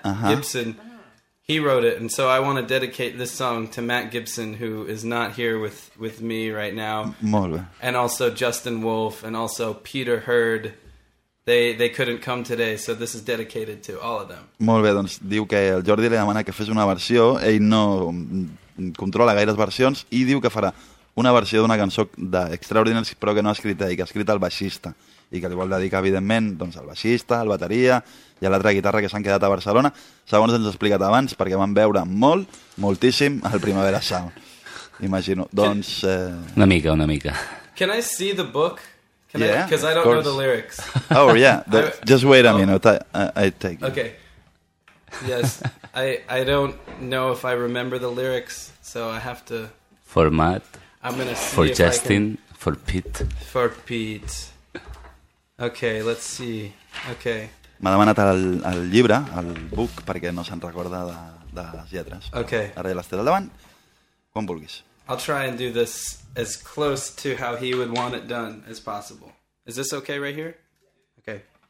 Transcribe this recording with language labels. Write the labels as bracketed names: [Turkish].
[English] uh-huh. Gibson, he wrote it, and so I want to dedicate this song to Matt Gibson, who is not here with me right now. [Catalan] Molt bé. [English] And also Justin Wolf, and also Peter Hurd. They couldn't come today, so this is dedicated to all of them. [Catalan] Molt bé, doncs diu que el Jordi li demana que fes una versió, ell no controla gaires versions, i diu que farà una versió d'una cançó d'Extraordinaires, però que no ha escrit ell, que ha escrit el baixista, i que li vol dedicar, evidentment, doncs, al baixista, al bateria i a l'altra guitarra que s'han quedat a Barcelona, segons ens ha explicat abans, perquè van veure molt, moltíssim, el Primavera Sound. Imagino, doncs... Una mica. [English] Can I see the book? Can yeah, because I don't course. Know the lyrics. Oh yeah, just wait a minute. I take. Okay. Yes, I don't know if I remember the lyrics, so I have to. Format. I'm gonna see for Justin, can... for Pete. For Pete. Okay, let's see. Okay. [Catalan] M'ha demanat el llibre, el book, perquè no se'n recorda de les lletres. [English] Okay. [Catalan] Ara ja les té al davant, quan vulguis. [English] I'll try and do this as close to how he would want it done as possible. Is this okay right here? Okay.